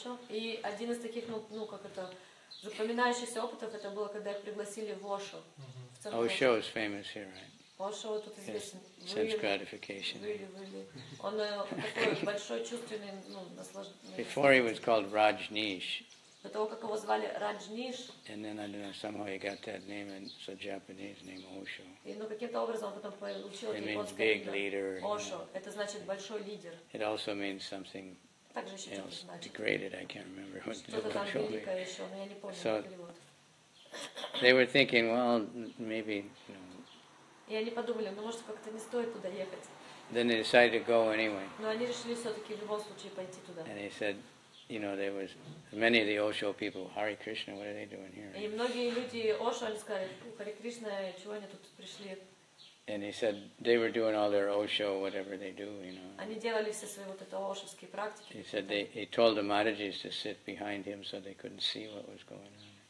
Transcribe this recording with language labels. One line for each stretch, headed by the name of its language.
Russian: И один из таких, ну как это, запоминающихся опытов, это было, когда их пригласили в Osho.
English: Osho is famous here, right?
Russian: Osho тут известен. Yes.
English: Sense gratification.
Russian: Он такой большой чувственный, ну, наслаждение.
English: Before he was called Rajneesh.
Russian: До того, как его звали Rajneesh.
English: And then I don't know, somehow he got that name, and it's a Japanese name, Osho.
Russian: И, ну, каким-то образом он потом получил
English: It means big leader.
Russian: Osho,
English: you know.
Russian: Это значит большой лидер.
English: It also means something else, degraded, I can't remember.
Russian: Еще,
English: so they were thinking, well, maybe, you know.
Russian: Подумали, ну, может, как-то не стоит туда ехать.
English: Then they decided to go anyway.
Russian: Но они решили все-таки в любом случае пойти туда.
English: And they said, you know, there was many of the Osho people, Hare Krishna, what are they doing here?
Russian: И многие люди Osho, они сказали, Hare Krishna, чего они тут пришли?
English: And he said they were doing all their Osho, whatever they do, you know. He said he told the Matajis to sit behind him so they couldn't see what was going on.